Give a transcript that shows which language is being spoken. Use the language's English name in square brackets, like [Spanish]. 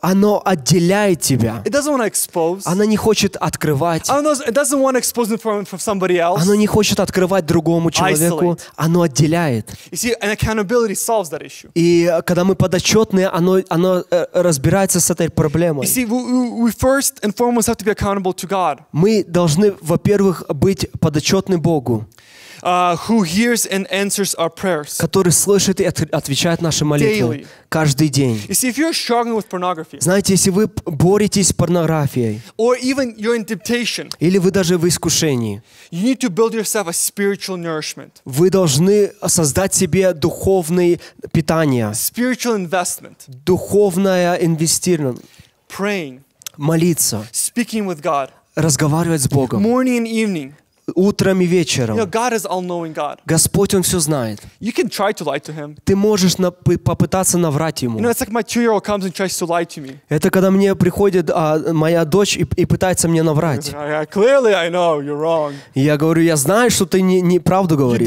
[Russian] Оно отделяет тебя. [English] It doesn't want to expose. [Russian] Оно не хочет открывать. [English] It doesn't want to expose it from somebody else. [Russian] Оно не хочет открывать другому человеку. [English] Isolate. [Russian] Оно отделяет. [English] You see, and accountability solves that issue. [Russian] И когда мы подотчетные, оно разбирается с этой проблемой. [English] You see, we first and foremost have to be accountable to God. [Russian] Мы должны, во-первых, быть подотчетны Богу. [English] Who hears and answers our prayers? [Russian] Который слышит и отвечает наши молитвы [English] daily. [Russian] Каждый день. [English] You see, if you're struggling with pornography, [Russian] знаете, если вы боретесь с порнографией, [English] or even you're in temptation, [Russian] или вы даже в искушении, [English] you need to build yourself a spiritual nourishment. [Russian] Вы должны создать себе духовное питание. [English] Spiritual investment. [Russian] Духовное инвестирование. [English] Praying. [Russian] Молиться. [English] Speaking with God. [Russian] Разговаривать с Богом. [English] Morning and evening. [Russian] утром и вечером. [English] You know, God is all-knowing God. [Russian] Господь, Он все знает. [English] You can try to lie to Him. [Russian] Ты можешь попытаться наврать Ему. [English] You know, it's like my two-year-old comes and tries to lie to me. [Russian] Это когда мне приходит моя дочь и пытается мне наврать. [English] Yeah, clearly I know you're wrong. [Russian] Я говорю, я знаю, что ты не правду говоришь.